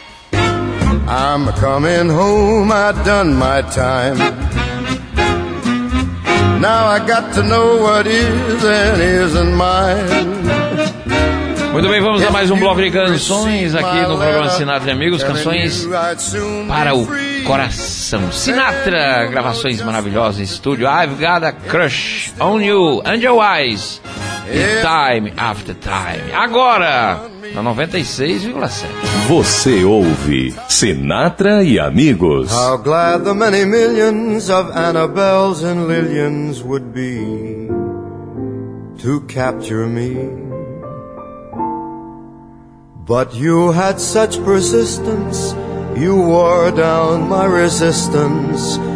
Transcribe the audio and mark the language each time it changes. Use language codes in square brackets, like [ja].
[en] I'm coming home, I done my time. Now I got to know what is and isn't mine. [pt] Muito bem, vamos a mais um bloco de canções aqui no programa Sinatra e Amigos, canções para o coração. Sinatra, gravações maravilhosas em estúdio. [en] I've got a crush on you, Angel Eyes. [pt] E Time After Time. Agora! Na 96,7. Você ouve Sinatra e Amigos. [en] How glad the many millions of Annabelles and Lillians would be to capture me. But you had such persistence, you wore down my resistance.